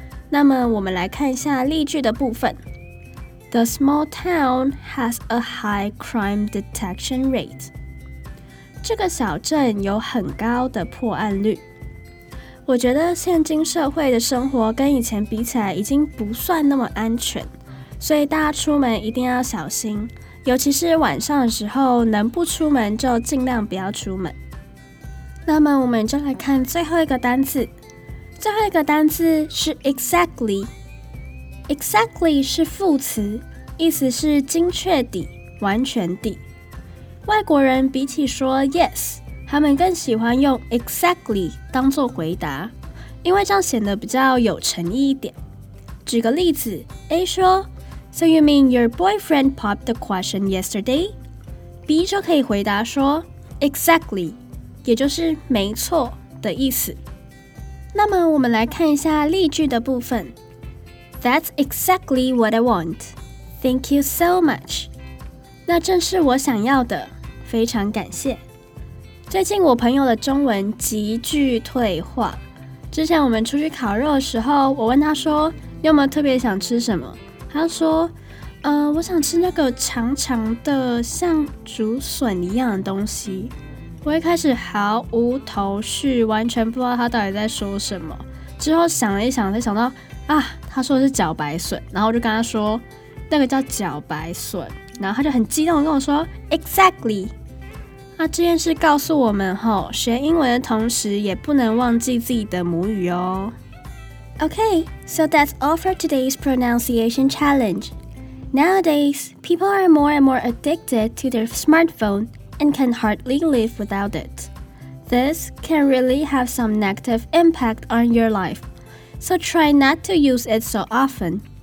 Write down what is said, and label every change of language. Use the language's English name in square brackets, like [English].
[Chinese] 那么我们来看一下例句的部分。 [English] The small town has a high crime detection rate。 [Chinese] 这个小镇有很高的破案率。我觉得现今社会的生活跟以前比起来已经不算那么安全，所以大家出门一定要小心，尤其是晚上的时候，能不出门就尽量不要出门。那么我们就来看最后一个单字。最后一个单字是 exactly。 exactly 是副词，意思是精确地、完全地。外国人比起说 yes， 他们更喜欢用 exactly 当作回答，因为这样显得比较有诚意一点。 [English] 举个例子， A [Chinese] 说， [English] So you mean your boyfriend popped the question yesterday? [Chinese] B 就可以回答说 exactly， 也就是没错的意思。那么我们来看一下例句的部分。 [English] That's exactly what I want. Thank you so much. [Chinese] 那正是我想要的，非常感谢。最近我朋友的中文急剧退化。之前我们出去烤肉的时候，我问他说有没有特别想吃什么，他说我想吃那个长长的像竹笋一样的东西。我一开始毫无头绪，完全不知道他到底在说什么。之后想了一想，才想到啊，他说的是茭白笋，然后我就跟他说那个叫茭白笋，然后他就很激动地跟我说 exactly。那这件事告诉我们，学英文的同时也不能忘记自己的母语哦。 [English] OK, so that's all for today's pronunciation challenge. Nowadays, people are more and more addicted to their smartphone and can hardly live without it. This can really have some negative impact on your lifeSo try not to use it so often.